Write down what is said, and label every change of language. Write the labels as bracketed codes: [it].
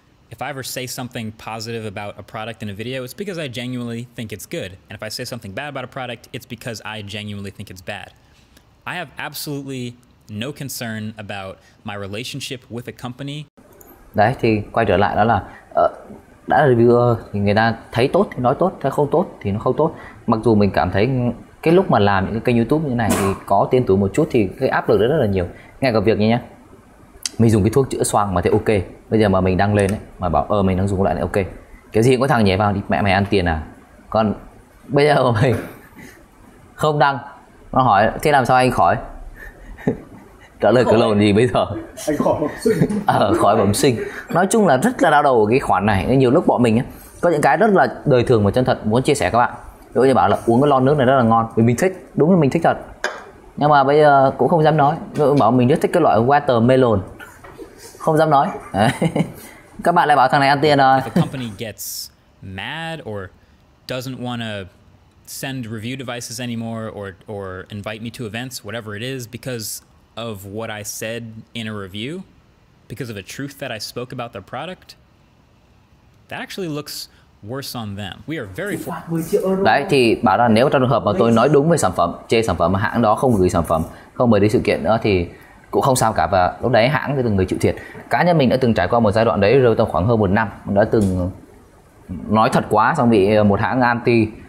[en] If I ever say something positive about a product in a video, it's because I genuinely think it's good. And if I say something bad about a product, it's because I genuinely think it's bad. I have absolutely no concern about my relationship with a company. [vi] Đấy, thì quay trở lại đó là đã là reviewer thì người ta thấy tốt thì nói tốt, thấy không tốt thì nó không tốt. Mặc dù mình cảm thấy cái lúc mà làm những cái kênh YouTube như này thì có tên tuổi một chút thì cái áp lực đó rất là nhiều. Ngay cả việc như nhé, mình dùng cái thuốc chữa xoang mà thấy ok, bây giờ mà mình đăng lên ấy mà bảo mình đang dùng loại này ok, cái gì cũng có thằng nhảy vào đi mẹ mày ăn tiền à. Còn bây giờ mà mình không đăng, nó hỏi thế làm sao anh khỏi, trả lời cái lộn gì bây giờ, anh khỏi bẩm sinh khỏi bẩm sinh. Nói chung là rất là đau đầu cái khoản này. Nên nhiều lúc bọn mình ấy, có những cái rất là đời thường mà chân thật muốn chia sẻ các bạn. Ví dụ như bảo là uống cái lon nước này rất là ngon vì mình thích, đúng là mình thích thật, nhưng mà bây giờ cũng không dám nói. Ví dụ bảo mình rất thích cái loại watermelon, không dám nói. Các bạn lại bảo thằng này ăn tiền rồi. [en] If a company gets mad or doesn't want to send review devices anymore or invite me to events, whatever it is, because of what I said in a review, because of a truth that I spoke about their product, that actually looks worse on them. We are very [vi] Đấy, thì bảo là nếu trong trường hợp mà tôi nói đúng về sản phẩm, chê sản phẩm mà hãng đó không gửi sản phẩm, không mời đi sự kiện nữa thì cũng không sao cả, và lúc đấy hãng sẽ từng người chịu thiệt. Cá nhân mình đã từng trải qua một giai đoạn đấy rồi, tầm khoảng hơn một năm đã từng nói thật quá xong bị một hãng anti.